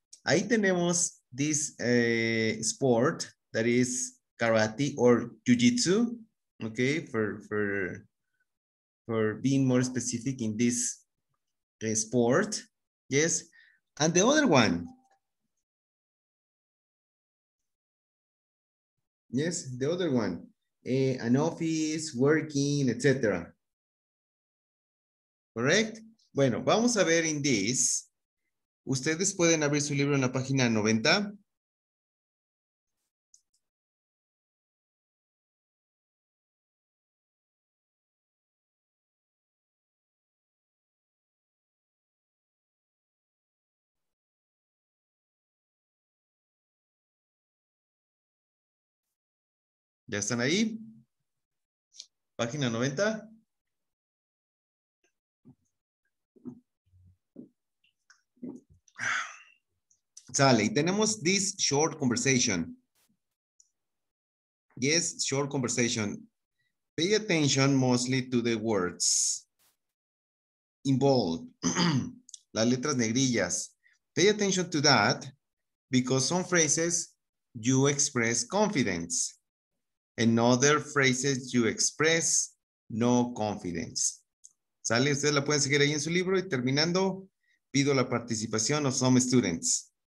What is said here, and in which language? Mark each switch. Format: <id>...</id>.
<es>Ahí tenemos</es> <en>this sport that is karate or jiu-jitsu, okay, for being more specific in this sport, yes. And the other one, yes, the other one, an office, working, etc.</en> <es>Correct? Bueno, vamos a ver</es> <en>in this.</en> <es>Ustedes pueden abrir su libro en la página 90. ¿Ya están ahí? Página 90. Sale, y tenemos</es> <en>this short conversation. Yes, short conversation. Pay attention mostly to the words involved.</en> <es>Las letras negrillas.</es> <en>Pay attention to that because some phrases you express confidence. And other phrases you express no confidence.</en> <es>Sale, ustedes la pueden seguir ahí en su libro y terminando, pido la participación</es> <en>of some students.</en>